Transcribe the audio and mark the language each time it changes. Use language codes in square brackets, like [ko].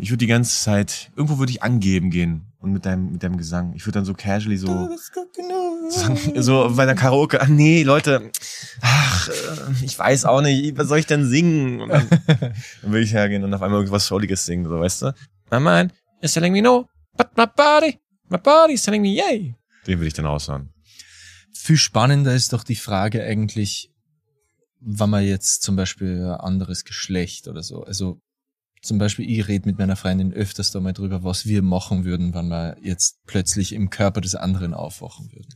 [de] Ich würde die ganze Zeit, irgendwo würde ich angeben gehen und mit deinem Gesang. Ich würde dann so casually so. So bei der Karaoke. Ach nee, Leute. Ach, ich weiß auch nicht. Was soll ich denn singen? Und dann würde ich hergehen und auf einmal irgendwas Schuldiges singen, so, weißt du? [en] My mind is telling me no, but my body is telling me yay. [de] Den würde ich dann aushören. Viel spannender ist doch die Frage eigentlich, wenn man jetzt zum Beispiel ein anderes Geschlecht oder so, also zum Beispiel ich rede mit meiner Freundin öfters da mal drüber, was wir machen würden, wenn wir jetzt plötzlich im Körper des anderen aufwachen würden.